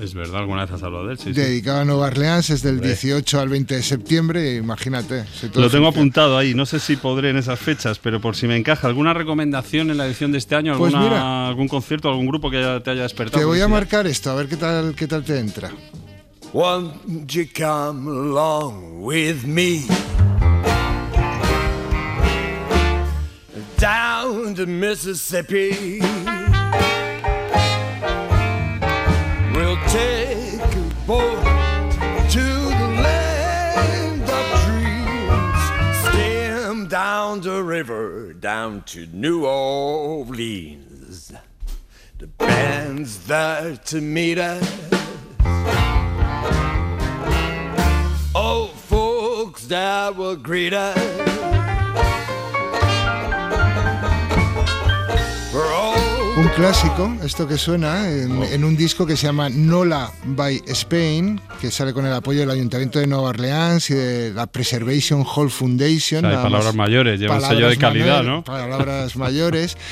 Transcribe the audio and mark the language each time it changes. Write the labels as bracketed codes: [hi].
[es] Es verdad, alguna vez has hablado de él, sí. Dedicado a Nueva Orleans, es del 18 al 20 de septiembre, imagínate. Lo tengo apuntado ahí, no sé si podré en esas fechas, pero por si me encaja, ¿alguna recomendación en la edición de este año? ¿Algún concierto, algún grupo que te haya despertado? Te voy a marcar esto, a ver qué tal te entra. [en] Won't you come along with me? Down to Mississippi, we'll take a boat to the land of dreams, steam down the river, down to New Orleans. The band's there to meet us, old folks that will greet us. [es] Un clásico, esto que suena, en un disco que se llama Nola by Spain, que sale con el apoyo del Ayuntamiento de Nueva Orleans y de la Preservation Hall Foundation. O sea, hay palabras mayores, lleva un sello de calidad, ¿no? Palabras mayores.